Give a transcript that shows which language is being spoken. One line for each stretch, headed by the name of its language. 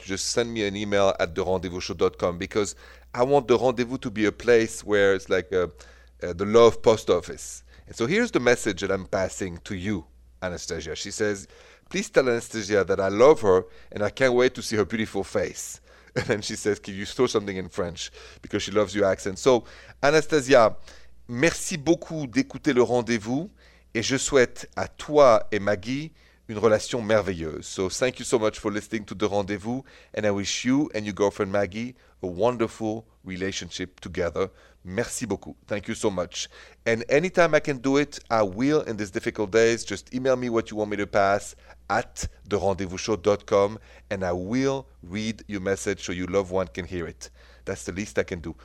English: You just send me an email at therendezvousshow.com, because I want The Rendezvous to be a place where it's like the love post office. And so here's the message that I'm passing to you, Anastasia. She says, please tell Anastasia that I love her and I can't wait to see her beautiful face. And then she says, can you throw something in French? Because she loves your accent.
French: So, Anastasia, merci beaucoup d'écouter le rendez-vous. Et je souhaite à toi et Maggie une relation merveilleuse.
English: So, thank you so much for listening to the rendezvous. And I wish you and your girlfriend Maggie a wonderful relationship together.
French: Merci beaucoup.
English: Thank you so much. And anytime I can do it, I will in these difficult days. Just email me what you want me to pass at therendezvousshow.com and I will read your message so your loved one can hear it. That's the least I can do.